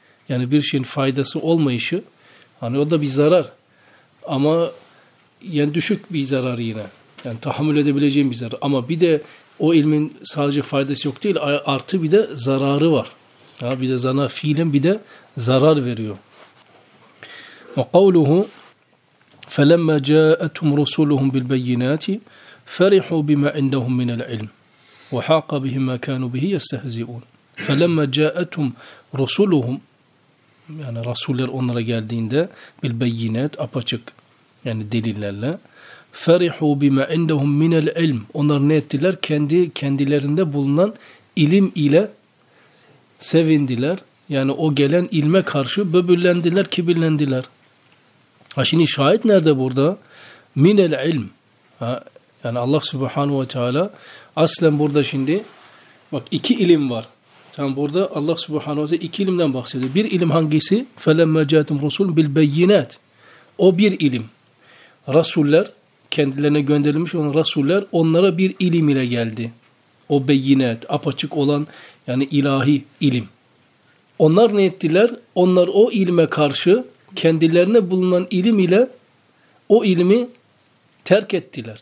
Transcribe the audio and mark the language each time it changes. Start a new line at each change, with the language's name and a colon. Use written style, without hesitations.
Turkish: Yani bir şeyin faydası olmayışı hani o da bir zarar. Ama yani düşük bir zarar yine. Yani tahammül edebileceğim bir zarar. Ama bir de o ilmin sadece faydası yok değil, artı bir de zararı var. Ya bir de zana fiilen bir de zarar veriyor.
Arabic: وَقَوْلُهُ فَلَمَّا جَاءَتْهُمْ رُسُولُهُمْ بِالْبَيِّنَاتِ فَرِحُوا بِمَا عِنْدَهُمْ مِنَ الْعِلْمِ وَحَاقَ بِهِمْ مَا كَانُوا بِهِ يَسْتَهْزِئُونَ فَلَمَّا جَاءَتْهُمْ رُسُولُهُمْ
Turkish: yani Resuller onlara geldiğinde
Arabic: bil beyinet
Turkish: apaçık yani delillerle
Arabic: ferihu bima indahum min el ilm
Turkish: onlar ne ettiler? Kendi kendilerinde bulunan ilim ile sevindiler. Yani o gelen ilme karşı böbürlendiler, kibirlendiler. Ha şimdi şahit nerede burada? Min el ilm. Ha, yani Allah Subhanahu ve Teala aslen burada şimdi bak iki ilim var. Tam burada Allah Subhanahu ve Teala iki ilimden bahsediyor. Bir ilim hangisi?
Arabic: فَلَمَّا جَاءَتْهُمْ رُسُولُهُمْ بِالْبَيِّنَاتِ
Turkish: o bir ilim. Resuller, kendilerine gönderilmiş olan Resuller onlara bir ilim ile geldi. O beyinat, apaçık olan yani ilahi ilim. Onlar ne ettiler? Onlar o ilme karşı kendilerine bulunan ilim ile o ilmi terk ettiler.